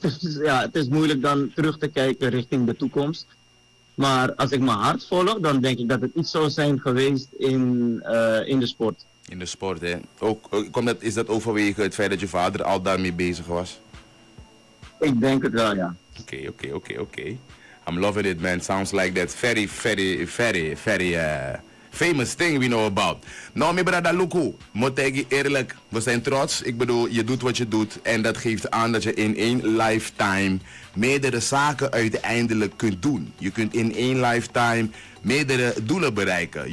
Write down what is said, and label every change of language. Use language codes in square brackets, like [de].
[nl] Dus ja, het is moeilijk dan terug te kijken richting de toekomst. Maar als ik mijn hart volg, dan denk ik dat het iets zou zijn geweest in de sport. In de sport, hè. Is dat overwege het feit dat je vader al daarmee bezig was? Ik denk het wel, ja. [en] Oké. I'm loving it, man. Sounds like that very, very, very, very famous thing we know about. [nl] Nou, mijn brada Luku, moet ik je eerlijk, we zijn trots. Ik bedoel, je doet wat je doet en dat geeft aan dat je in één lifetime meerdere zaken uiteindelijk kunt doen. Je kunt in één lifetime meerdere doelen bereiken.